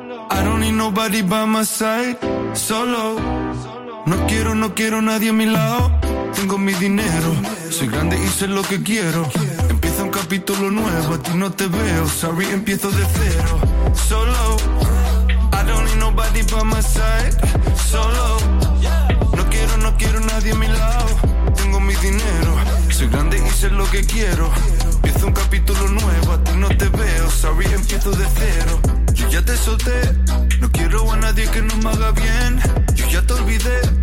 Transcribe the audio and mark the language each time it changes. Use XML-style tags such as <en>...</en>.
<en>I don't need nobody by my side.</en> <es>Solo. No quiero, no quiero nadie a mi lado. Tengo mi dinero, soy grande y sé lo que quiero. Empieza un capítulo nuevo, a ti no te veo. Sorry, empiezo de cero.</es> <en>Solo, I don't need nobody by my side.</en> <es>Solo, no quiero, no quiero nadie a mi lado. Tengo mi dinero, soy grande y sé lo que quiero. Empiezo un capítulo nuevo, a ti no te veo. Sorry, empiezo de cero. Yo ya te solté, no quiero a nadie que no me haga bien. Yo ya te olvidé.</es>